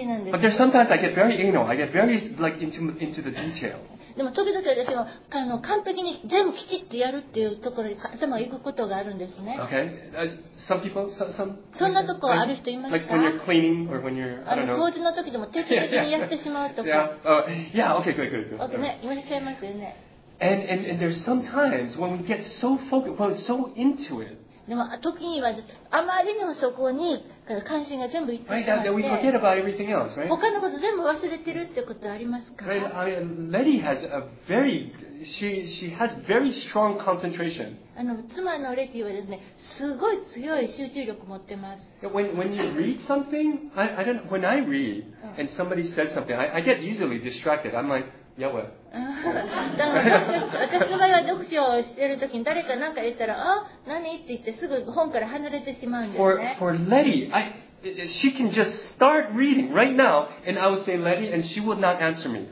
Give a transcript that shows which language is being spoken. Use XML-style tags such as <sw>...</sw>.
<en>but there's sometimes I get very anal. I get very like into the detail.</en> <ja>でも時々私もあの完璧に全部きちっとやるっていうところに頭が行くことがあるんですね。</ja> <en>Okay, some people, some.</en> <ja>そんなとこある人いますか？</ja> <en>Like when you're cleaning or when you're, I don't know.</en> <ja>掃除の時でも徹底的にやってしまうとか。</ja> <en>Yeah. Okay. Good.</en> <ja>ね、いらっしゃいますよね。</ja> <en>And there's sometimes when we get so focused, well, so into it.</en> <ja>でも時にはあまりにもそこに関心が全部いってしまって、</ja> <en>right, that we forget about everything else, right?</en> <ja>他のこと全部忘れてるってことありますか？</ja> <en>Right, I mean, Letty has a very, she has very strong concentration.</en> <ja>あの妻のレティはですね、すごい強い集中力持ってます。</ja> <en>When you read something, I don't know, when I read and somebody says something, I get easily distracted. I'm like,</en> <ja>だから私の場合は読書をしているときに誰か何か言ったら、あ、何って言ってすぐ本から離れてしまうんですね。</ja> <en>For Letty, she can just start reading right now, and I would say Letty, and she would not answer me.</en>